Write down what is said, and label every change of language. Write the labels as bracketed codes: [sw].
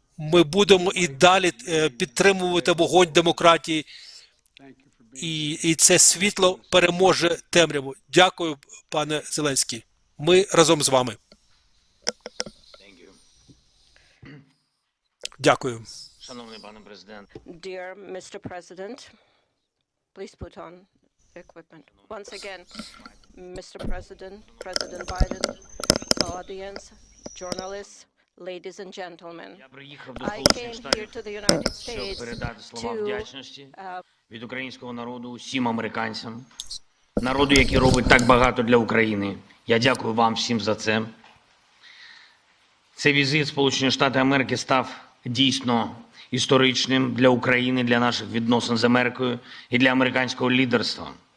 [uk] Ми будемо і далі підтримувати вогонь демократії, і це світло переможе темряву. Дякую, пане Зеленський. Ми разом з вами. Дякую. Шановний пане президент. [en] Dear Mr. President, please put on equipment. Once again, Mr. President, President Biden, audience, journalists, ladies and gentlemen, I came here to the United States [uk] від українського народу усім американцям, народу, який робить так багато для України. Я дякую вам всім за це. Цей візит Сполучених Штатів Америки став дійсно історичним для України, для наших відносин з Америкою і для американського лідерства.